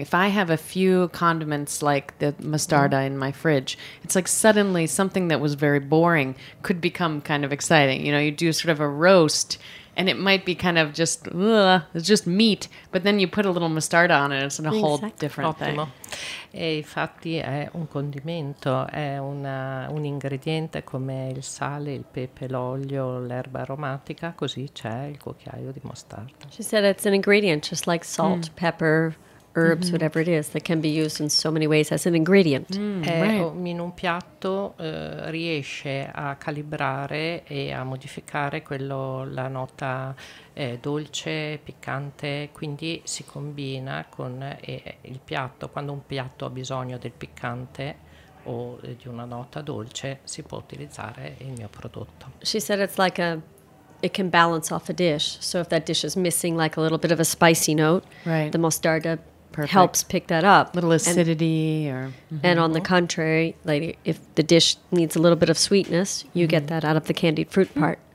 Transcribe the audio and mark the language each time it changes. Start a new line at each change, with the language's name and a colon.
English: If I have a few condiments like the mostarda in my fridge, it's like suddenly something that was very boring could become kind of exciting. You know, you do sort of a roast and it might be kind of just, it's just meat, but then you put a little mostarda on it, it's a whole different thing.
Italian: E infatti è un condimento, è un ingrediente come il sale, il pepe, l'olio, l'erba aromatica, così c'è il cucchiaio di mostarda.
English: She said it's an ingredient just like salt, pepper, herbs, whatever it is, that can be used in so many ways as an ingredient.
Italian: In un piatto riesce a calibrare e a modificare la nota dolce, piccante, quindi si combina con il piatto. Quando un piatto ha bisogno del piccante o di una nota dolce, si può utilizzare il mio prodotto.
English: She said it's like it can balance off a dish. So if that dish is missing like a little bit of a spicy note, the mostarda perfect helps pick that up. Little acidity and on the contrary, like if the dish needs a little bit of sweetness, you get that out of the candied fruit part.